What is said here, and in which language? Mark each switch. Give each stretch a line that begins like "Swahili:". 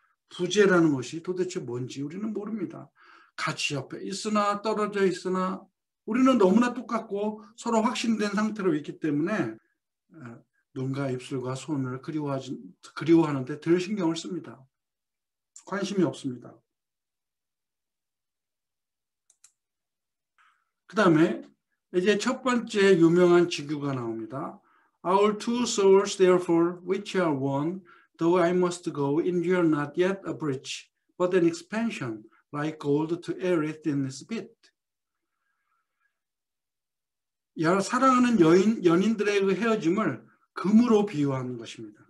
Korean: 부재라는 것이 도대체 뭔지 우리는 모릅니다. 같이 옆에 있으나 떨어져 있으나 우리는 너무나 똑같고 서로 확신된 상태로 있기 때문에 눈과 입술과 손을 그리워하는데 덜 신경을 씁니다. 관심이 없습니다. 그 다음에 이제 첫 번째 유명한 직유가 나옵니다.
English: Our two souls, therefore, which are one, though I must go, endure not yet a breach, but an expansion, like gold to aerith in this bit.
Korean: 사랑하는 연인들의 그 헤어짐을 금으로 비유하는 것입니다.